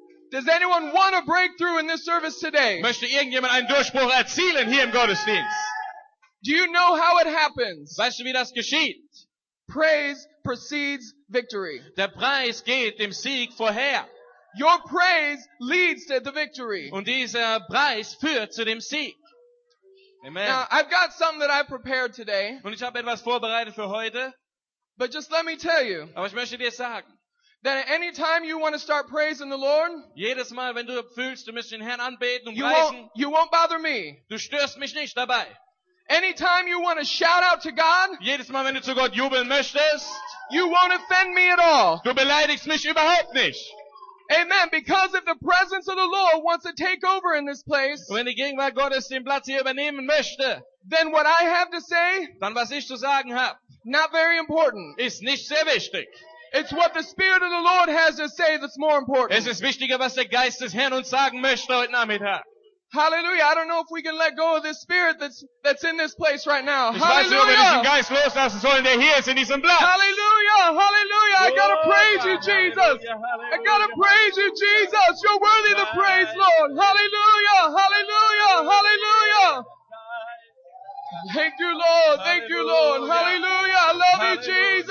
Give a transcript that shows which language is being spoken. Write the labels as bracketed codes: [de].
[en] Does anyone want a breakthrough in this service today? [de] Möchte irgendjemand einen Durchbruch erzielen hier im Gottesdienst? [en] Do you know how it happens? [de] Weißt du, wie das geschieht? [en] Praise precedes victory. [de] Der Preis geht dem Sieg vorher. [en] Your praise leads to the victory. [de] Und dieser Preis führt zu dem Sieg. Amen. [en] Now, I've got something that I prepared today. [de] Und ich habe etwas vorbereitet für heute. [en] But just let me tell you. [de] Aber ich möchte dir sagen, [en] that at any time you want to start praising the Lord, [de] jedes Mal, wenn du fühlst, du musst den Herrn anbeten und preisen, [en] you won't bother me. [de] Du störst mich nicht dabei. [en] Anytime you want to shout out to God, [de] jedes Mal, wenn du zu Gott jubeln möchtest, [en] you won't offend me at all. [de] Du beleidigst mich überhaupt nicht. [en] Amen. Because if the presence of the Lord wants to take over in this place, [de] wenn die Gegenwart Gottes den Platz hier übernehmen möchte, [en] then what I have to say, [de] dann was ich zu sagen hab, [en] not very important. [de] Ist nicht sehr wichtig. [en] It's what the Spirit of the Lord has to say that's more important. [de] Es ist wichtiger, was der Geist des Herrn uns sagen möchte heute Nachmittag. [en] Hallelujah. I don't know if we can let go of this spirit that's in this place right now. Hallelujah. Hallelujah. Hallelujah. I gotta praise you, Jesus. I gotta praise you, Jesus. You're worthy of the praise, Lord. Hallelujah. Hallelujah. Hallelujah. Thank you, Lord. Thank you, Lord. Hallelujah. I love you, Jesus.